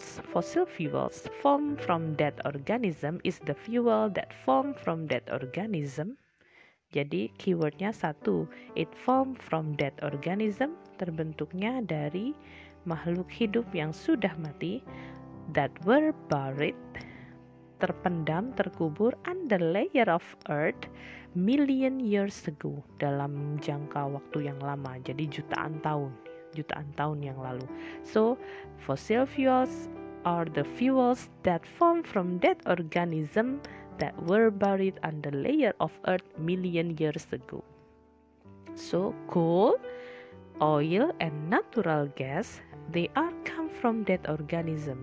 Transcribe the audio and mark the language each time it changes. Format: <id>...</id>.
<en>Fossil fuels form from dead organism is the fuel that form from dead organism.</en> <id>Jadi, keywordnya satu.</id> <en>It form from dead organism.</en> <id>Terbentuknya dari makhluk hidup yang sudah mati,</id> <en>that were buried,</en> <id>terpendam, terkubur</id> <en>under layer of earth million years ago,</en> <id>dalam jangka waktu yang lama, jadi jutaan tahun yang lalu.</id> <en>So fossil fuels are the fuels that form from dead organism that were buried under layer of earth million years ago. So coal, oil, and natural gas, they are come from dead organism.</en>